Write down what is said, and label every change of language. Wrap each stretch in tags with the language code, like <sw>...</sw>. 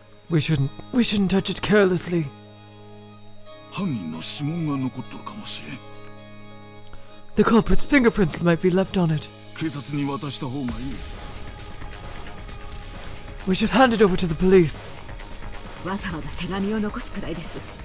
<en>We shouldn't touch it carelessly.</en> <ja>犯人の指紋が残っとるかもしれん。</ja> <en>The culprit's fingerprints might be left on it.</en> <ja>警察に渡した方がいい。</ja> <en>We should hand it over to the police.</en> <ja>わざわざ手紙を残すくらいです。</ja>